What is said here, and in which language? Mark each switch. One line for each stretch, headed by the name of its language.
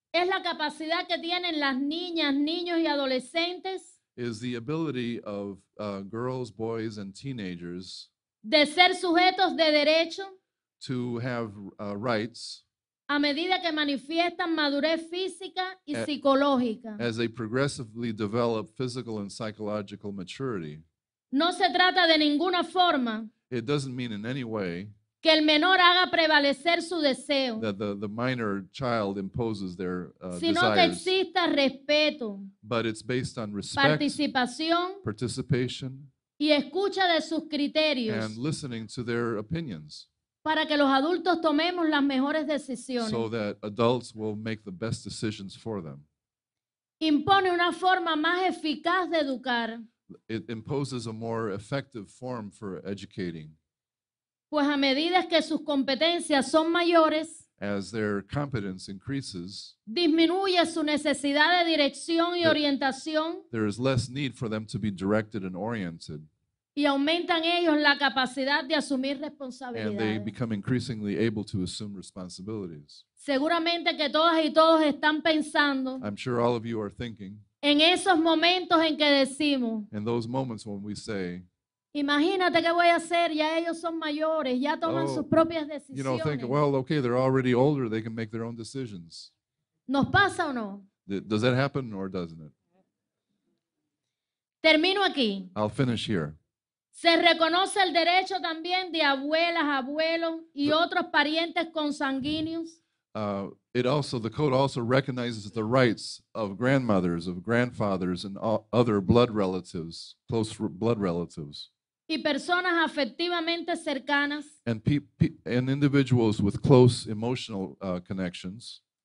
Spanish: Es la capacidad que tienen las niñas, niños y adolescentes.
English: Is the ability of girls, boys, and teenagers.
Spanish: De ser sujetos de derecho.
English: To have rights.
Spanish: A medida que manifiestan madurez física y psicológica.
English: As they progressively develop physical and psychological maturity.
Spanish: No se trata de ninguna forma.
English: It doesn't mean in any way.
Spanish: Que el menor haga prevalecer su deseo.
English: That the minor child imposes their desires.
Spanish: Sino que exista respeto.
English: But it's based on respect.
Spanish: Participación.
English: Participation.
Spanish: Y escucha de sus criterios.
English: And listening to their opinions.
Spanish: Para que los adultos tomemos las mejores decisiones.
English: So that adults will make the best decisions for them.
Spanish: Impone una forma más eficaz de educar.
English: It imposes a more effective form for educating.
Spanish: Pues a medida que sus competencias son mayores.
English: As their competence increases.
Spanish: Disminuye su necesidad de dirección y orientación.
English: There is less need for them to be directed and oriented.
Spanish: Y aumentan ellos la capacidad de asumir responsabilidades.
English: And they become increasingly able to assume responsibilities.
Spanish: Seguramente que todas y todos están pensando.
English: I'm sure all of you are thinking.
Spanish: En esos momentos en que decimos.
English: In those moments when we say.
Spanish: Imagínate qué voy a hacer, ya ellos son mayores, ya toman sus propias decisiones.
English: You know, think, well, okay, they're already older, they can make their own decisions.
Spanish: ¿Nos pasa o no?
English: Does that happen or doesn't it?
Spanish: Termino aquí.
English: I'll finish here.
Spanish: Se reconoce el derecho también de abuelas, abuelos y otros parientes consanguíneos.
English: The code also recognizes the rights of grandmothers, of grandfathers, and other blood relatives, close blood relatives.
Spanish: Y personas afectivamente cercanas.
English: And and individuals with close emotional connections.